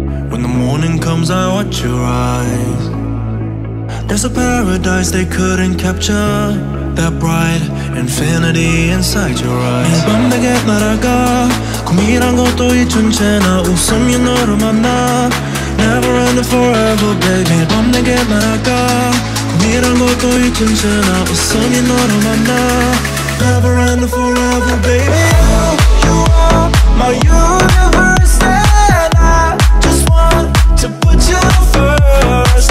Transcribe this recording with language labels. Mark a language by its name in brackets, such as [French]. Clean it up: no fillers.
[English] When the morning comes, I watch your eyes. There's a paradise they couldn't capture, that bright infinity inside your eyes. [Korean] 매일 밤 내게 날아가 꿈이란 것도 잊은 채 나 웃으며 너를 만나. [English] Never ending forever, baby. [Korean] 매일 밤 내게 날아가 꿈이란 것도 잊은 채 나 웃으며 너를 만나. [English] Never ending forever, baby. You are my universe, and I just want to put you first.